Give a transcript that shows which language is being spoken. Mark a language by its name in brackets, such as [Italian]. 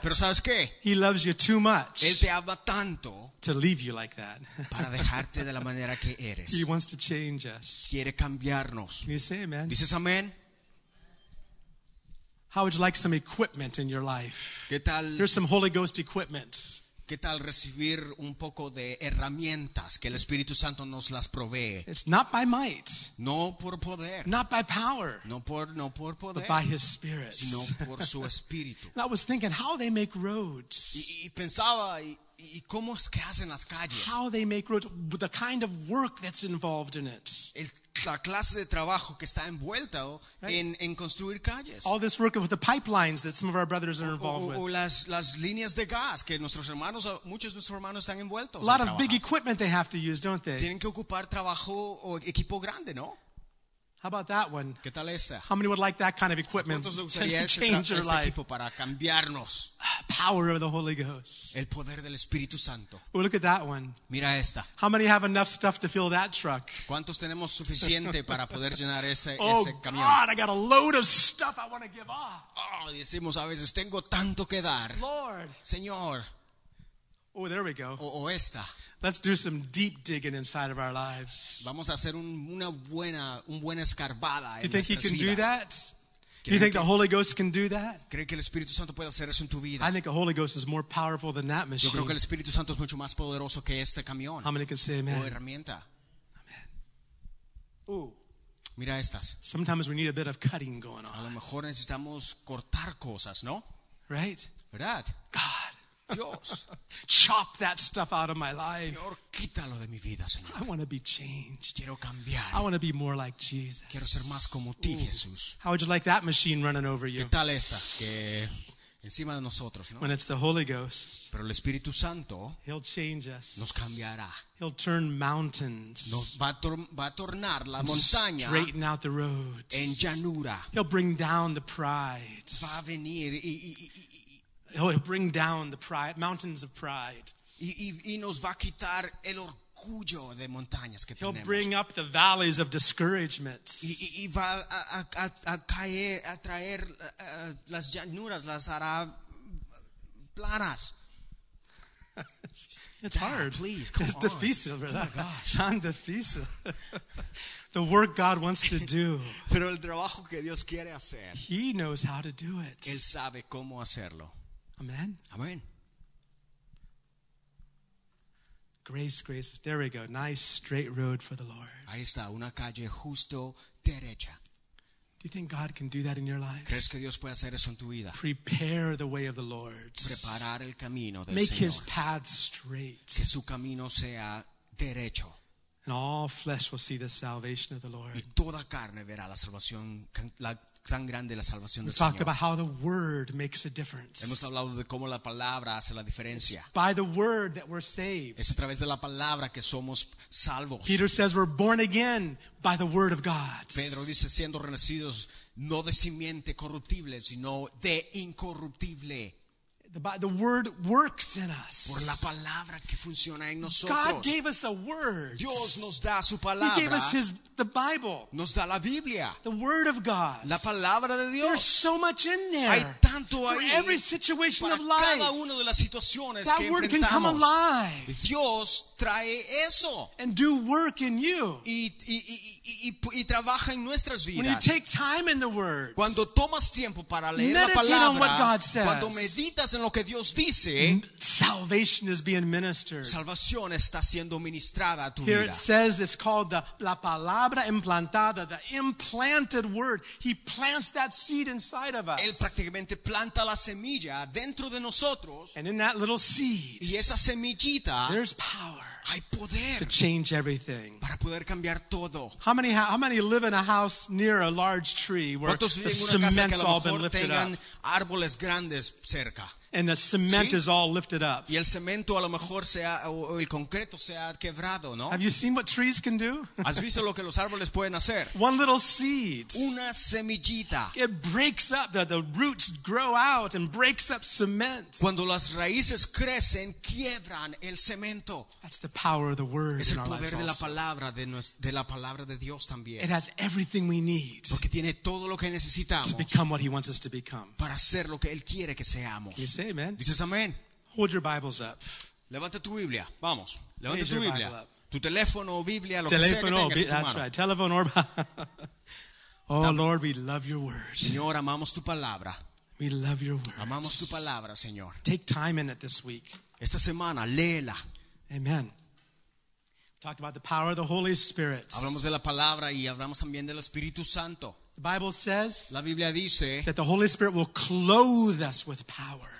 [Spanish] Pero ¿sabes qué? [English] He loves you too much. [Spanish] Él te ama tanto. [English] To leave you like that. [Spanish] Para dejarte de la manera que eres. [English] He wants to change us. [Spanish] Quiere cambiarnos. [English] You say amen. [Spanish] Dices amén. [English] How would you like some equipment in your life? [Spanish] ¿Qué tal? [English] Here's some Holy Ghost equipment. [Spanish] ¿Qué tal recibir un poco de herramientas que el Espíritu Santo nos las provee? [English] It's not by might. [Spanish] No por poder. [English] Not by power. [Spanish] No por poder. [English] But by His Spirit. [Spanish] Sino por su Espíritu. [English] And I was thinking how they make roads. [Spanish] Y pensaba, ¿cómo es que hacen las calles? [English] How they make roads, the kind of work that's involved in it. [Spanish] La clase de trabajo que está envuelta [English] right. [Spanish] en construir calles. [English] All this work with the pipelines that some of our brothers are involved with. [Spanish] O las líneas de gas que nuestros hermanos, muchos de nuestros hermanos están envueltos. [English] A lot of big equipment they have to use, don't they? [Spanish] Tienen que ocupar trabajo o equipo grande, ¿no? [English] How about that one? [Spanish] ¿Qué tal esa? [English] How many would like that kind of equipment to change your life? [Spanish] Equipo para cambiarnos. [English] Power of the Holy Ghost. [Spanish] El poder del Espíritu Santo. [English] Oh, look at that one. [Spanish] Mira esta. [English] How many have enough stuff to fill that truck? [Spanish] ¿Cuántos tenemos suficiente para poder llenar ese camión? [English] God, I got a load of stuff I want to give off. [Spanish] Oh, decimos a veces, tengo tanto que dar. [English] Lord. [Spanish] Señor. [English] Oh, there we go. [Spanish] O esta. [English] Let's do some deep digging inside of our lives. [Spanish] Vamos a hacer una buena escarbada. [English] Do you think he can [Spanish] vidas. [English] Do that? Do you think the Holy Ghost can do that? [Spanish] ¿Cree que el Espíritu Santo puede hacer eso en tu vida? [English] I think the Holy Ghost is more powerful than that machine. [Spanish] Yo creo que el Espíritu Santo es mucho más poderoso que este camión. [English] How many can say amen? [Spanish] O herramienta. [English] Amen. Ooh. [Spanish] Mira estas. [English] Sometimes we need a bit of cutting going on. [Spanish] A lo mejor necesitamos cortar cosas, ¿no? [English] Right? [Spanish] ¿Verdad? [English] God. [Spanish] Dios. [English] Chop that stuff out of my life. [Spanish] Señor, quítalo de mi vida, Señor. [English] I want to be changed. [Spanish] Quiero cambiar. [English] I want to be more like Jesus. [Spanish] Quiero ser más como ti, Jesús. [English] How would you like that machine running over you? [Spanish] ¿Qué tal esa que encima de nosotros, ¿no? [English] When it's the Holy Ghost. [Spanish] Pero el Espíritu Santo. [English] He'll change us. [Spanish] Nos cambiará. [English] He'll turn mountains. [Spanish] Nos va a tornar la montaña. [English] Straighten out the roads. [Spanish] En llanura. [English] He'll bring down the pride. [Spanish] Va a venir [English] He'll bring down the pride, mountains of pride. [Spanish] Y nos va a quitar el orgullo de montañas que [English] He'll [Spanish] tenemos. [English] Bring up the valleys of discouragement. [Spanish] Y va a caer, a traer las llanuras, las hará planas. [English] It's Dad, hard. Please, come It's on. It's [Spanish] difícil, ¿verdad? [English] Oh, gosh. [Spanish] Tan difícil. [English] The work God wants to do. [Spanish] Pero el trabajo que Dios quiere hacer. [English] He knows how to do it. [Spanish] Él sabe cómo hacerlo. [English] Amen. [Spanish] Amen. [English] Grace. There we go. Nice straight road for the Lord. [Spanish] Ahí está, una calle justo derecha. [English] Do you think God can do that in your life? [Spanish] ¿Crees que Dios puede hacer eso en tu vida? [English] Prepare the way of the Lord. [Spanish] Preparar el camino del [English] Make [Spanish] Señor. [English] His path straight. [Spanish] Que su camino sea derecho. [English] And all flesh will see the salvation of the Lord. [Spanish] Y toda carne verá la salvación, la tan grande la salvación [English] We've [Spanish] del Señor. [English] We talked about how the word makes a difference. [Spanish] Hemos hablado de cómo la palabra hace la diferencia. [English] It's by the word that we're saved. [Spanish] Es a través de la palabra que somos salvos. [English] Peter says we're born again by the word of God. [Spanish] Pedro dice siendo renacidos no de simiente corruptible sino de incorruptible. [English] The word works in us. [Spanish] Por la palabra que funciona en nosotros. [English] God gave us a word. [Spanish] Dios nos da su palabra. [English] He gave us the Bible. [Spanish] Nos da la Biblia. [English] The word of God. [Spanish] La palabra de Dios. [English] There's so much in there. [Spanish] Hay tanto [English] for [Spanish] ahí. [English] For every situation [Spanish] para [English] of life. [Spanish] Cada una de las situaciones [English] that [Spanish] que [English] word [Spanish] enfrentamos. [English] Can come alive. [Spanish] Dios trae eso. [English] And do work in you. [Spanish] Y trabaja en nuestras vidas. [English] When you take time in the word. [Spanish] Cuando tomas tiempo para leer [English] meditate [Spanish] la palabra. [English] On what God says. [Spanish] Cuando meditas en lo que Dios dice, [English] salvation is being ministered. [Spanish] Salvación está siendo ministrada a tu [English] Here [Spanish] vida. [English] It says it's called [Spanish] la palabra implantada, [English] the implanted word. He plants that seed inside of us. [Spanish] Él prácticamente planta la semilla dentro de nosotros. [English] And in that little seed, [Spanish] y esa semillita, [English] there's power. [Spanish] Hay poder [English] to change everything. [Spanish] Para poder cambiar todo. [English] How many live in a house near a large tree where the cement's all been lifted up? [Spanish] Árboles grandes cerca. [English] and the cement is all lifted up. [Spanish] Y el cemento a lo mejor se ha, o el concreto se ha quebrado, ¿no? [English] Have you seen what trees can do? [Spanish] ¿Has visto lo que los árboles pueden hacer? [English] One little seed. [Spanish] Una semillita. [English] It breaks up, the roots grow out and breaks up cement. [Spanish] Cuando las raíces crecen, quiebran el cemento. [English] That's the power of the word. [Spanish] Es el poder de la palabra de la palabra de Dios también. [English] It has everything we need. [Spanish] Porque tiene todo lo que necesitamos. [English] To become what he wants us to become. [Spanish] Para ser lo que él quiere que seamos. [English] You say amen. [Spanish] Dices amén. [English] Hold your Bibles up. [Spanish] Levanta tu Biblia. Vamos. Levanta tu Biblia. Tu teléfono o Biblia, lo teléfono, que sea que tengas en tu mano. [English] That's right. Telephone or Oh Lord, we love your words. [Spanish] Señor, amamos tu palabra. [English] We love your words. [Spanish] Amamos tu palabra, Señor. [English] Take time in it this week. [Spanish] Esta semana, léela. [English] Amen. Talked about the power of the Holy Spirit. [Spanish] Hablamos de la palabra y hablamos también del Espíritu Santo. [English] The Bible says [Spanish] la Biblia dice [English] that the Holy Spirit will clothe us with power.